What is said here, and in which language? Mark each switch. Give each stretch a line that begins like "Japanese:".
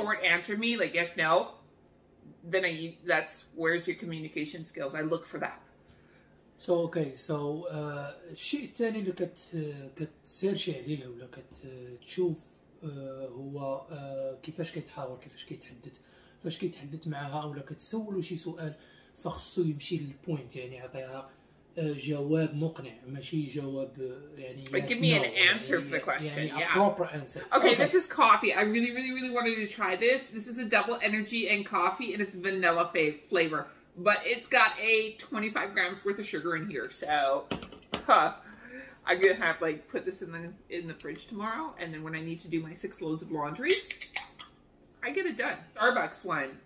English: short answer me like yes no then that's where's your communication skills I look for that. So okay, so
Arabic: الشيء الثاني اللي كتسيرش عليه ولا كتشوف هو كيفاش كيتحاور كيفاش كيتحدث فاش كيتحدث معها ولا كتسولو شي سؤال فخصو يمشي للبوينت يعني يعطيها جواب مقنع ماشي جواب يعني
English: like, give me an answer for the question يعني yeah. a proper answer okay this is coffee I really really really wanted to try this is a double energy and coffee and it's vanilla flavor But it's got 25 grams worth of sugar in here, so, huh. I'm gonna have like put this in the fridge tomorrow, and then when I need to do my 6 loads of laundry, I get it done. Starbucks one.